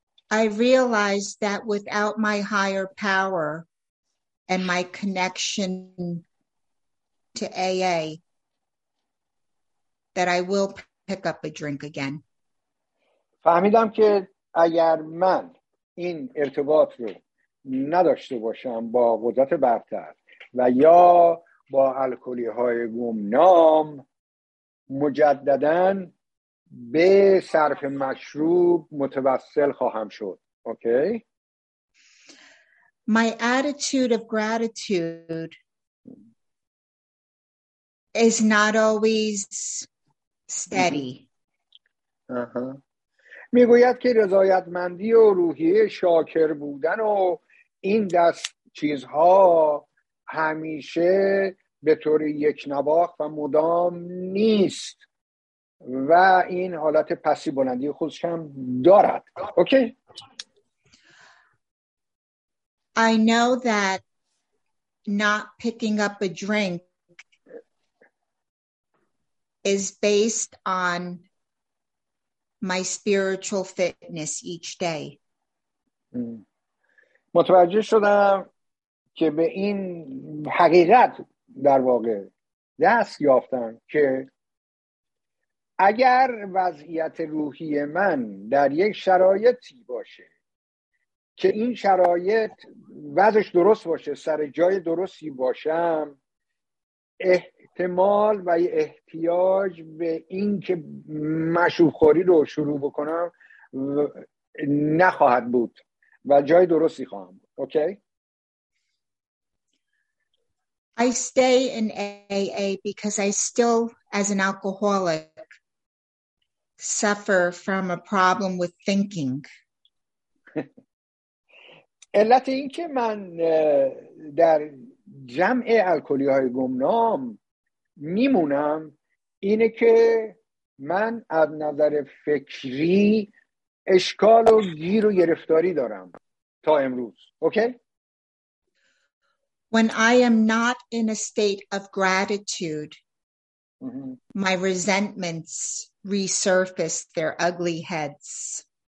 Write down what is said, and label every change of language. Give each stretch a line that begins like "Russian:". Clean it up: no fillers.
English: I realized that without my higher power and my connection to AA that I will pick up a drink again.
Persian: فهمیدم که اگر من این ارتباط رو نداشته باشم با قدرت برتر و یا با الکلی های گمنام، مجدداً به صرف مشروب متوسل خواهم شد.
English: Okay? My attitude of gratitude is not always steady.
Persian: میگوید که رضایتمندی و روحیه شاکر بودن و این دست چیزها همیشه به طور یک نواخت و مدام نیست و این حالت پسی بلندی خودش هم دارد.
English: Okay. I know that not picking up a drink is based on my spiritual fitness each day.
Persian: متوجه شدم که به این حقیقت در واقع دست یافتم که اگر وضعیت روحی من در یک شرایطی باشه که این شرایط وضعش درست باشه، سر جای درستی باشم، احتمال و احتیاج به این که مشروب‌خوری رو شروع بکنم نخواهد بود و جای درستی خواهم بود.
English: Okay? I stay in AA because I still, as an alcoholic, suffer from a problem with thinking.
Persian: علت این که من در جمع الکلی‌های گمنام میمونم اینه که من از نظر فکری اشکال و گیر و گرفتاری دارم تا امروز.
English: Okay? When I am not in a state of gratitude, my resentments resurface their ugly heads.